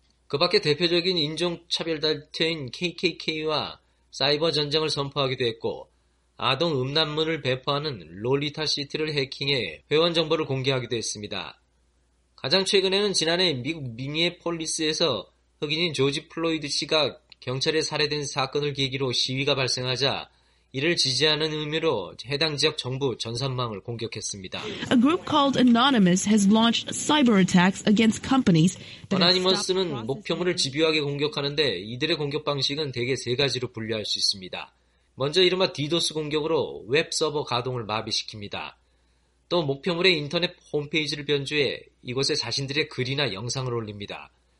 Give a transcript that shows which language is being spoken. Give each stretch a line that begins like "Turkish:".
Korean: 그 밖에 대표적인 인종차별단체인 KKK와 사이버전쟁을 선포하기도 했고 아동 음란물을 배포하는 롤리타 시트를 해킹해 회원 정보를 공개하기도 했습니다. 가장 최근에는 지난해 미국 미니애폴리스에서 흑인인 조지 플로이드 씨가 경찰에 살해된 사건을 계기로 시위가 발생하자 이를 지지하는 의미로 해당 지역 정부 전산망을 공격했습니다.
English: A group called Anonymous has launched cyber attacks against companies.
Korean: 어나니머스는 목표물을 집요하게 공격하는데 이들의 공격 방식은 대개 세 가지로 분류할 수 있습니다. 먼저 이른바 DDoS 공격으로 웹 서버 가동을 마비시킵니다. 또 목표물의 인터넷 홈페이지를 변조해 이곳에 자신들의 글이나 영상을 올립니다.